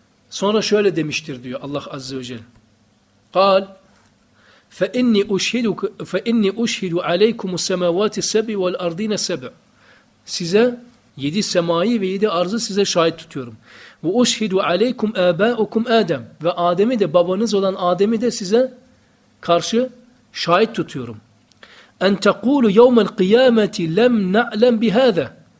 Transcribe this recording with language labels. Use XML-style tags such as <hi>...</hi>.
<tr>Sonra şöyle demiştir diyor Allah Azze ve Celle.</tr> <ar>قال فإني أشهد عليكم السماوات السبع والأرضين السبع.</ar> <tr>Size 7 semayı ve 7 arzı size şahit tutuyorum.</tr> <ar>Ve uşhidu aleykum ebaukum Adem.</ar> <tr>Ve Adem'i de, babanız olan Adem'i de size karşı şahit tutuyorum.</tr> <ar>En tekulu yevmel kıyameti lem ne'lem bihâze.</ar>